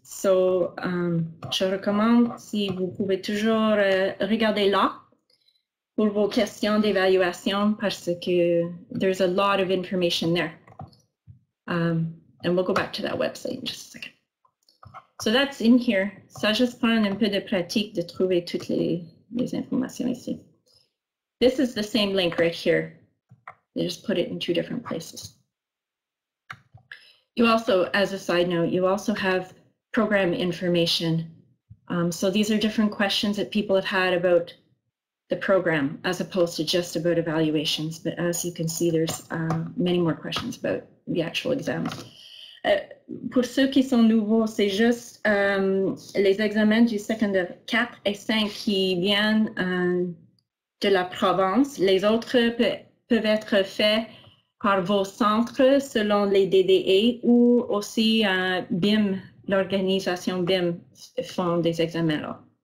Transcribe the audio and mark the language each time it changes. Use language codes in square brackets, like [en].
[fr] So, je recommande, si vous pouvez toujours regarder là pour vos questions d'évaluation, parce que [en] there's a lot of information there. And we'll go back to that website in just a second. So that's in here. [fr] Ça juste prend un peu de pratique de trouver toutes les informations ici. [en] This is the same link right here. They just put it in two different places. You also, as a side note, you also have program information. So these are different questions that people have had about the program, as opposed to just about evaluations. But as you can see, there's many more questions about the actual exam. [fr] Pour ceux qui sont nouveaux, c'est juste les examens du secondaire 4 et 5 qui viennent de la province. Les autres peuvent être faits par vos centres selon les DDA ou aussi BIM, l'organisation BIM font des examens là.